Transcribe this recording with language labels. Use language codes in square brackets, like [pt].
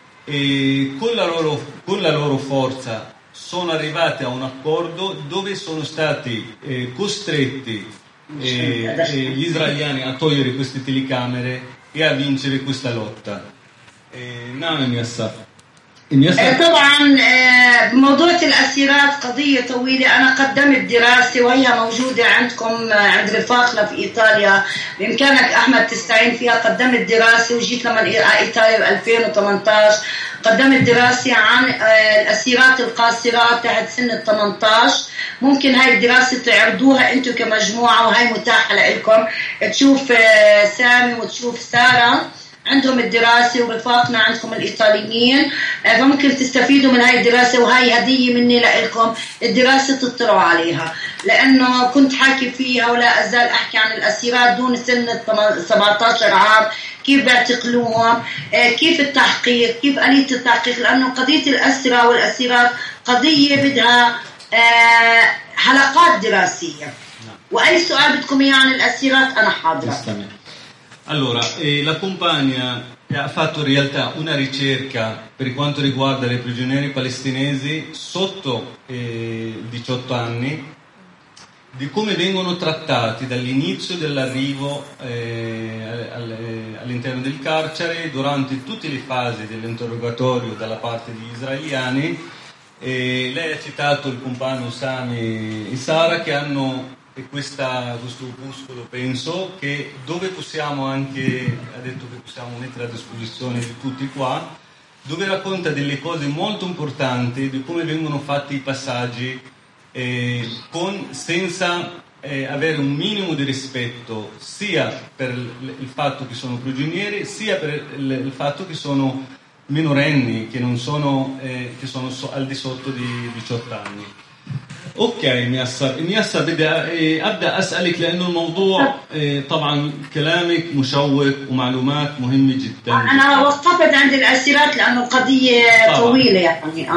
[it] E con la loro forza sono arrivate a un accordo dove sono stati costretti gli israeliani a togliere queste telecamere e a vincere questa lotta. Namen Yassaf. [ar] طبعا موضوع الأسيرات قضية طويلة. أنا قدمت دراسة وهي موجودة عندكم عند رفاقنا في إيطاليا، بإمكانك أحمد تستعين فيها. قدمت دراسة وجيت لما إيطاليا ب 2018، قدمت دراسة عن الأسيرات القاصرات تحت سن ال 18. ممكن هاي الدراسة تعرضوها أنتوا كمجموعة، وهي متاحة لكم تشوف سامي وتشوف سارة عندهم الدراسة، ورفاقنا عندكم الإيطاليين فممكن تستفيدوا من هاي الدراسة، وهاي هدية مني لكم الدراسة تطلعوا عليها، لأنه كنت حاكي فيها ولا أزال أحكي عن الأسيرات دون سن 17 عام، كيف بيعتقلوهم، كيف التحقيق، كيف آلية التحقيق، لأنه قضية الأسرى والأسيرات قضية بدها حلقات دراسية. وأي سؤال بدكم إياه عن الأسيرات أنا حاضرة. [it] Allora, la compagna ha fatto in realtà una ricerca per quanto riguarda le prigionieri palestinesi sotto 18 anni, di come vengono trattati dall'inizio dell'arrivo all'interno del carcere, durante tutte le fasi dell'interrogatorio dalla parte degli israeliani. Lei ha citato il compagno Sami e Sara, che hanno... E questo opuscolo, penso, che dove possiamo anche, ha detto che possiamo mettere a disposizione di tutti qua, dove racconta delle cose molto importanti di come vengono fatti i passaggi senza avere un minimo di rispetto sia per il fatto che sono prigionieri, sia per il fatto che sono minorenni, che non sono, che sono al di sotto di 18 anni. [ar] اوكي مياسر، مياسر بدي ابدا اسالك، لانه الموضوع طبعا كلامك مشوق ومعلومات مهمه جدا. انا وقفت عند الاسيرات لانه القضيه طويله يعني.